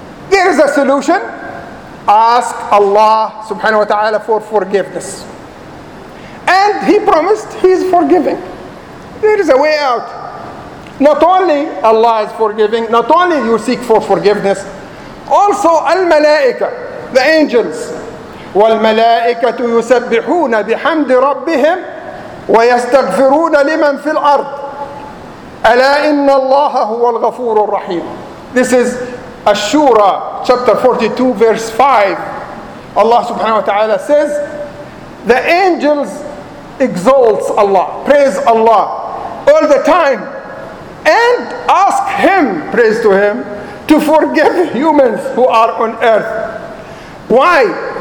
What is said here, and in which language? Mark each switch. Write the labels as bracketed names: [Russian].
[English] There is a solution. Ask Allah subhanahu wa ta'ala for forgiveness. And he promised he's forgiving. There is a way out. Not only Allah is forgiving, not only you seek for forgiveness, also al-malaika, the angels. [Arabic] والملائكة يسبحون بحمد ربهم ويستغفرون لمن في الأرض ألا إن الله هو الغفور الرحيم. [English] This is Ash-Shura chapter 42 verse 5. Allah subhanahu wa ta'ala says the angels exalts Allah, praise Allah all the time and ask him, praise to him, to forgive humans who are on earth. Why?